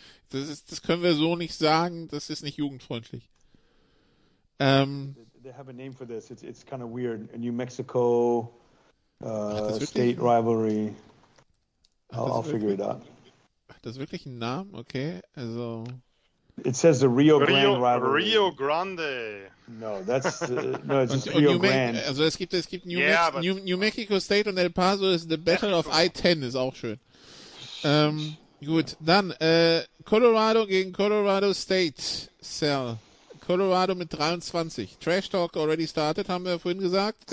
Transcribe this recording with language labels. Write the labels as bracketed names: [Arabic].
[German] das können wir so nicht sagen. Das ist nicht jugendfreundlich. [English] They have a name for this. It's kind of weird. New Mexico State rivalry. I'll figure it out. [German] Das wirklich ein Name? Okay. Also. [English] It says the Rio Grande rivalry. Rio Grande. No, that's no. It's just Rio Grande. [German] Also es gibt New Mexico State und El Paso [English] is the Battle of I-10 [German] ist auch schön. Gut, dann Colorado gegen Colorado State. Sal. Colorado mit 23. [English] Trash Talk already started, [German] haben wir vorhin gesagt.